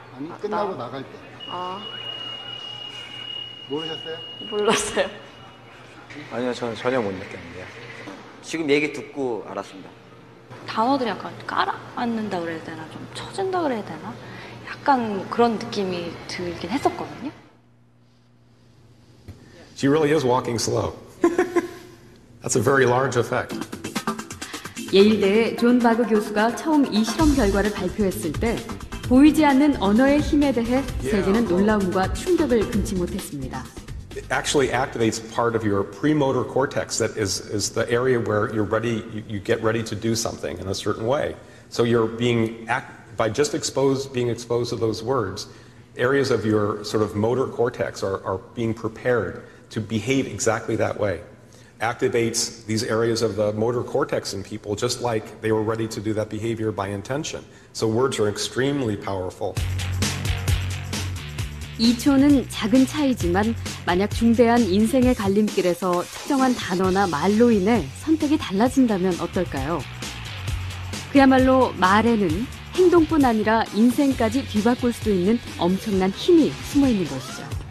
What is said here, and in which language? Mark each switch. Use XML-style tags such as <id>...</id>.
<ko>아니, 끝나고 나갈 때. 아. 모르셨어요? 몰랐어요. 아니요, 저는 전혀 못 느꼈는데요. 지금 얘기 듣고 알았습니다. 단어들이 약간 깔아앉는다 그래야 되나? 좀 처진다 그래야 되나? 약간 그런 느낌이 들긴 했었거든요.</ko> <en>She really is walking slow. That's a very large effect.</en> <ko>예일대의 존 바그 교수가 처음 이 실험 결과를 발표했을 때 보이지 않는 언어의 힘에 대해 세계는 놀라움과 충격을 금치 못했습니다.</ko> <en>It actually activates part of your premotor cortex that is the area where you're ready, you get ready to do something in a certain way. So you're being exposed to those words, areas of your sort of motor cortex are being prepared to behave exactly that way. Activates these areas of the motor cortex in people just like they were ready to do that behavior by intention. So words are extremely powerful.</en> <ko>2초는 작은 차이지만 만약 중대한 인생의 갈림길에서 특정한 단어나 말로 인해 선택이 달라진다면 어떨까요? 그야말로 말에는 행동뿐 아니라 인생까지 뒤바꿀 수도 있는 엄청난 힘이 숨어 있는 것이죠.</ko>